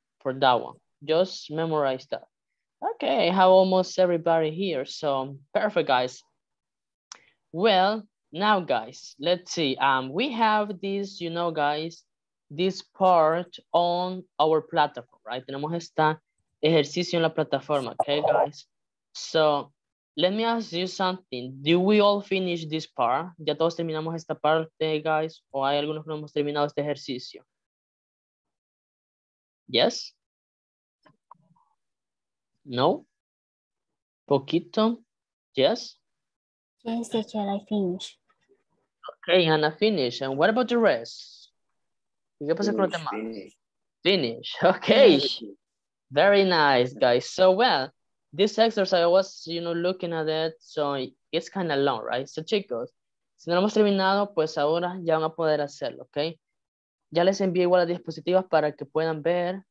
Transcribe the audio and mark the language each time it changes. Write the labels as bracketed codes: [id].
[en] For that one, just memorize that. Okay, I have almost everybody here, so perfect, guys. Well, now, guys, let's see. We have this, you know, guys, this part on our platform, right? [es] Tenemos esta ejercicio en la plataforma, okay, guys? [en] So let me ask you something. Do we all finish this part? [es] ¿Ya todos terminamos esta parte, guys? ¿O hay algunos que no hemos terminado este ejercicio? [en] Yes? No? Poquito? Yes? Yes, teacher, I finish. Okay, Hannah, finish. And what about the rest? Finish. Finish. Okay. Finish. Very nice, guys. So, well, this exercise, I was, you know, looking at it, so it's kind of long, right? [es] So, chicos, si no lo hemos terminado, pues ahora ya van a poder hacerlo, okay? Ya les envié igual las diapositivas para que puedan ver.